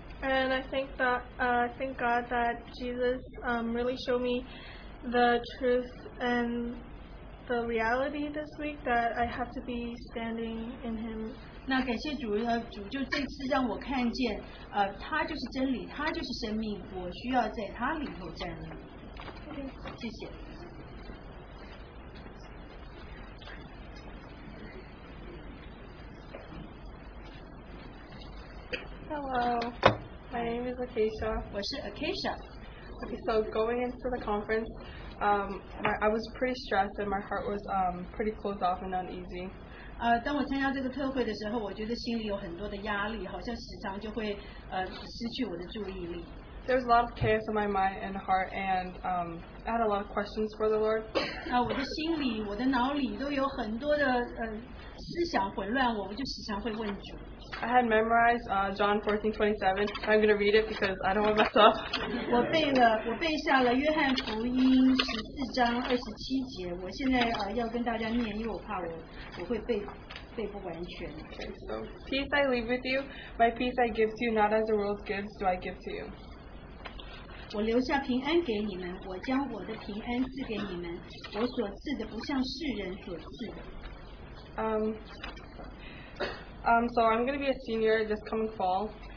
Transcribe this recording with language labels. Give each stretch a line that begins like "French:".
English: And I think that, thank God that Jesus, really showed me the truth and the reality this week that I have to be standing in Him.
Chinese: 那感谢主，主就这次让我看见，他就是真理，他就是生命，我需要在他里头站立。
English: Okay.
Chinese: 谢谢。
English: Hello, my name is Acacia.
Chinese: 我是 Acacia.
English: Okay, so going into the conference. I was pretty stressed and my heart was pretty closed off and uneasy.
Chinese: 当我参加这个特会的时候，我觉得心里有很多的压力，好像时常就会失去我的注意力。
English: There was a lot of chaos in my mind and heart, and I had a lot of questions for the Lord.
Chinese: 我的心里，我的脑里都有很多的
English: I had memorized John 14:27. I'm going to read it because I don't want to mess up.
Chinese: 我背下了约翰福音14章27节。我现在要跟大家念，因为我怕我会背不完全。
English: So peace I leave with you, my peace I give to you. Not as the world gives, do I give to you.
Chinese: 我留下平安给你们，我将我的平安赐给你们。我所赐的不像世人所赐的。
English: So I'm going to be a senior this coming fall.